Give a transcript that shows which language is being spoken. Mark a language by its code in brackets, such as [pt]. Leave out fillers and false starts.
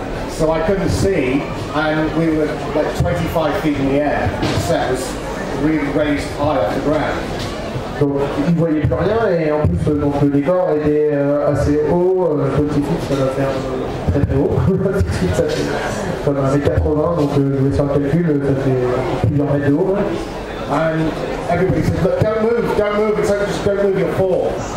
[en] So I couldn't see, and we were like 25 feet in the air. The set was really raised high off the ground. [fr] Donc ils ne voyaient plus rien et en plus donc, le décor était assez haut, petit, ça doit faire très très haut. Ça fait comme 1m80, donc je vais faire le calcul, ça fait plusieurs mètres de haut. Ouais. [en] And everybody said, look, don't move, it's like just don't move your fall.